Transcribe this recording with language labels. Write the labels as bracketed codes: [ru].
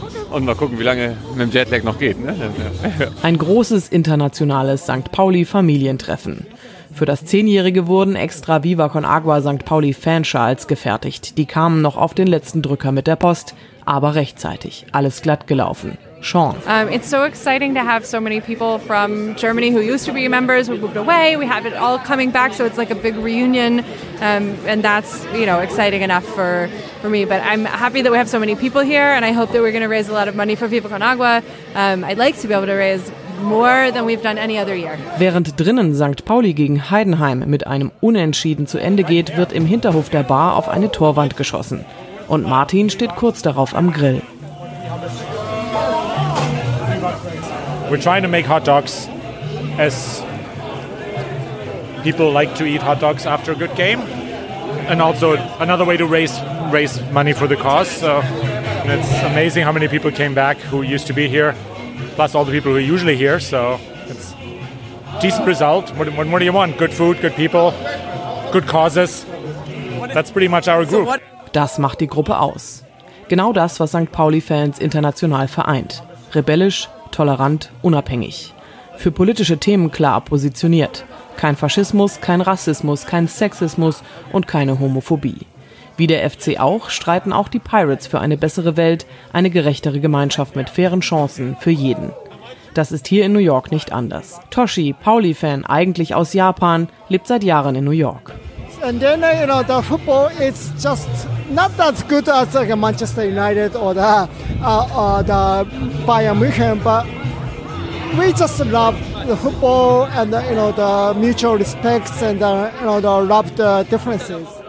[de] Und mal gucken, wie lange mit dem Jetlag noch geht. Ne? Ein großes internationales St. Pauli-Familientreffen. Für das 10-Jährige wurden extra Viva Con Agua St. Pauli-Fanschals gefertigt. Die kamen noch auf den letzten Drücker mit der Post, aber rechtzeitig. Alles glatt gelaufen. Sean. [en] It's so exciting to have so many people from Germany who used to be members. We moved away. We have it all coming back. So it's like a big reunion. And that's, you know, exciting enough for me. But I'm happy that we have so many people here. And I hope that we're going to raise a lot of money for Viva Con Agua. I'd like to be able to raise more than we've done any other year. [de] Während drinnen St. Pauli gegen Heidenheim mit einem Unentschieden zu Ende geht, wird im Hinterhof der Bar auf eine Torwand geschossen. Und Martin steht kurz darauf am Grill. [en] We're trying to make hot dogs as people like to eat hot dogs after a good game. And also another way to raise money for the cause. So it's amazing how many people came back who used to be here, plus all the people who are usually here. So it's a decent result. What more do you want? Good food, good people, good causes. That's pretty much our group. [de] Das macht die Gruppe aus. Genau das, was St. Pauli-Fans international vereint. Rebellisch, tolerant, unabhängig. Für politische Themen klar positioniert. Kein Faschismus, kein Rassismus, kein Sexismus und keine Homophobie. Wie der FC auch, streiten auch die Pirates für eine bessere Welt, eine gerechtere Gemeinschaft mit fairen Chancen für jeden. Das ist hier in New York nicht anders. Toshi, Pauli-Fan, eigentlich aus Japan, lebt seit Jahren in New York. [en] And then, you know, the football is just not that good as like Manchester United or the Bayern Munich, but we just love the football and, you know, the mutual respects and, you know, the love the differences.